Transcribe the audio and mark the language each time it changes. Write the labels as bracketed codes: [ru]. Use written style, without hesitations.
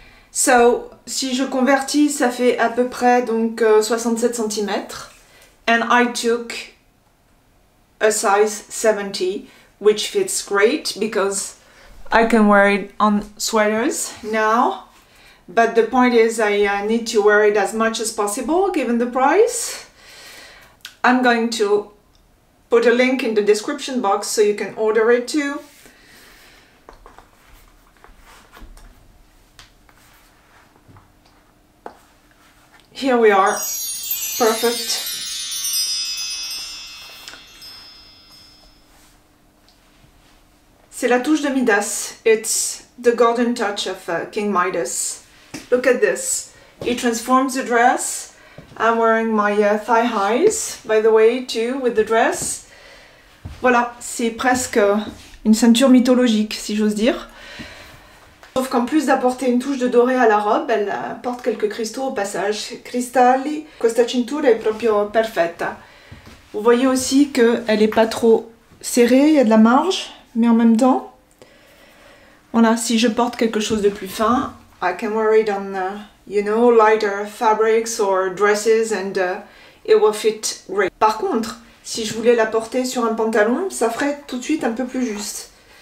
[fr] So, si je convertis, ça fait à peu près donc 67 centimètres. [en] And I took a size 70, which fits great because I can wear it on sweaters now. But the point is I need to wear it as much as possible given the price. I'm going to put a link in the description box so you can order it too. Here we are. Perfect. [fr] C'est la touche de Midas. [en] It's the golden touch of King Midas. Look at this. It transforms the dress. I'm wearing my thigh highs, by the way, too, with the dress. [fr] Voilà, c'est presque une ceinture mythologique, si j'ose dire. Sauf qu'en plus d'apporter une touche de doré à la robe, elle apporte quelques cristaux au passage. [it] Cristalli, questa cintura è proprio perfetta. [fr] Vous voyez aussi qu'elle n'est pas trop serrée, il y a de la marge, mais en même temps, voilà, si je porte quelque chose de plus fin, [en] I can wear it on, you know, lighter fabrics or dresses and it will fit great. [fr] Par contre, si je voulais la porter sur un pantalon, ça ferait tout de suite un peu plus juste.